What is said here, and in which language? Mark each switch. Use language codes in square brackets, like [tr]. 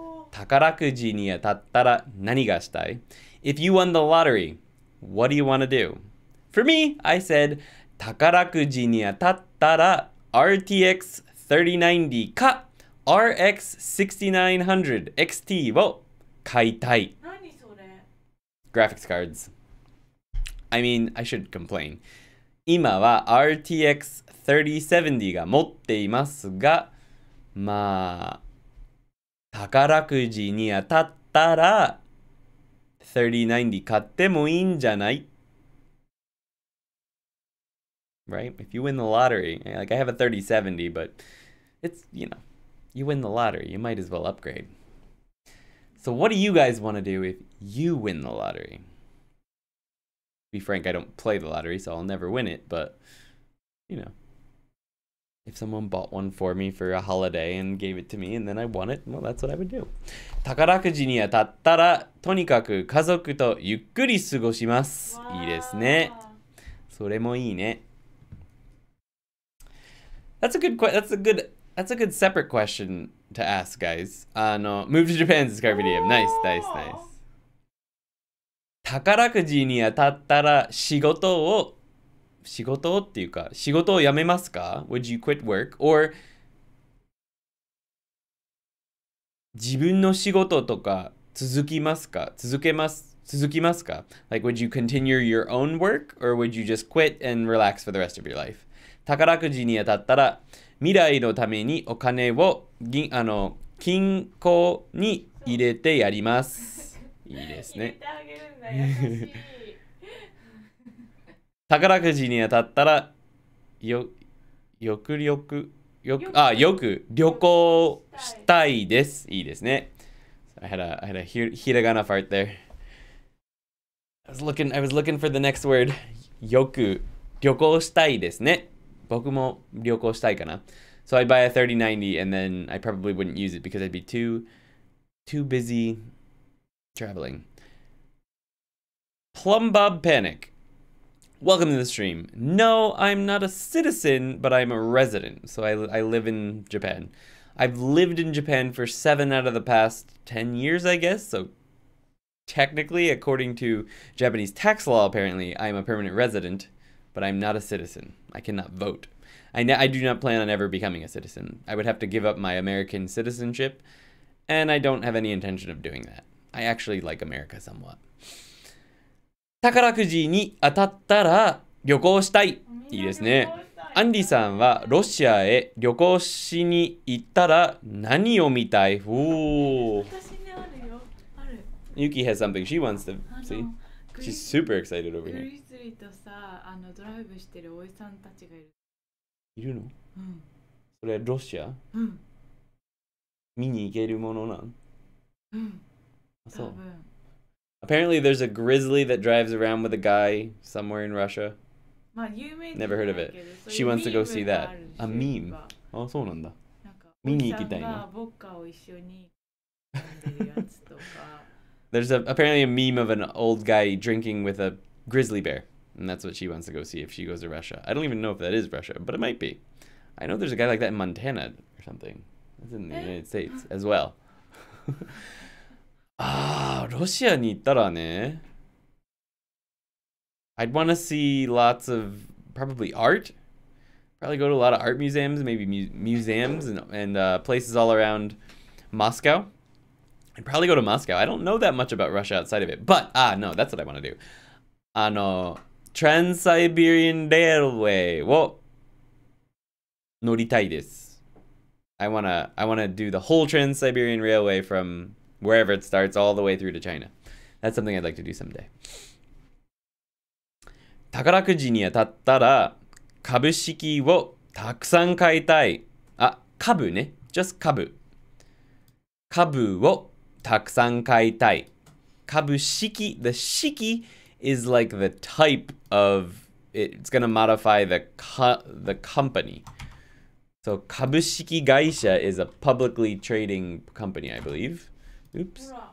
[ja] 宝くじに当たったら何がしたい? [en] If you won the lottery, what do you want to do? For me, I said, [ja] 宝くじに当たったらRTX 3090か RX 6900 XT を買いたい。何それ? [en] Graphics cards. I mean, I should complain. [ja] 今は RTX 3070が持っていますが、まあ、宝くじに当たったら3090買ってもいいんじゃない? [en] Right? If you win the lottery, like I have a 3070, but it's, you know, you win the lottery, you might as well upgrade. So what do you guys want to do if you win the lottery? To be frank, I don't play the lottery, so I'll never win it, but, you know, if someone bought one for me for a holiday and gave it to me and then I won it, well, that's what I would do. [ja] 宝くじに当たったら、とにかく家族とゆっくり過ごします。いいですね。それもいいね。 [en] That's a good separate question to ask, guys. Move to Japan, subscribe to him. Nice, nice, nice. [ja] 宝くじに当たったら仕事をっていうか、仕事を辞めますか? [en] Would you quit work? Or [ja] 自分の仕事とか続きますか? 続けますか? [en] Like, would you continue your own work? Or would you just quit and relax for the rest of your life? [ja] 宝くじに当たったら未来のためにお金を銀あの金庫に入れてやります。いいですね。入れてあげるんだ、優しい。宝くじに当たったらよく旅行したいです。いいですね。 [en] I had a hiragana fart there. I was looking for the next word. [ja] よく旅行したいですね。僕も旅行したいかな。 [en] So I'd buy a 3090 and then I probably wouldn't use it because I'd be too busy traveling. Plumbob Panic. Welcome to the stream. No, I'm not a citizen, but I'm a resident. So I live in Japan. I've lived in Japan for 7 out of the past 10 years, I guess. So technically, according to Japanese tax law, apparently, I'm a permanent resident. But I'm not a citizen. I cannot vote. I do not plan on ever becoming a citizen. I would have to give up my American citizenship, and I don't have any intention of doing that. I actually like America somewhat. [ja] 宝くじに当たったら旅行したい。いいですね。アンディさんはロシアへ旅行しに行ったら何を見たい？おー。私にあるよ。ある。 [en] Yuki has something she wants to see. She's super excited over here. [ja] とさ、あのドライブしてるおじさんたちがいる。いるの？うん。それロシア？うん。見に行けるものなん？うん。あ、そう。 [en] Apparently there's a grizzly that drives around with a guy somewhere in Russia. [ja] まあ有名じゃないけど。 [en] Never heard of it. She wants to go see that. A meme. [ja] あ、そうなんだ。なんか見に行きたいな。おじさんがボッカを一緒に飲んでるやつとか。 [en] There's apparently a meme of an old guy drinking with a grizzly bear, and that's what she wants to go see if she goes to Russia. I don't even know if that is Russia, but it might be. I know there's a guy like that in Montana or something. That's in the United States as well. [ja] Ah, Russia に行ったらね。 [en] I'd want to see lots of probably art. Probably go to a lot of art museums, maybe museums and places all around Moscow. I'd probably go to Moscow. I don't know that much about Russia outside of it, but no, that's what I want to do. [ja] あの、Trans-Siberian Railway を乗りたいです。 [en] I wanna do the whole Trans-Siberian Railway from wherever it starts all the way through to China. That's something I'd like to do someday. [ja] 宝くじに当たったら株式をたくさん買いたい。あ、株ね。Just 株。株をたくさん買いたい。 [en] 株式、the 式is like the type of, it's gonna modify the company. So, 株式会社 is a publicly trading company, I believe. Oops.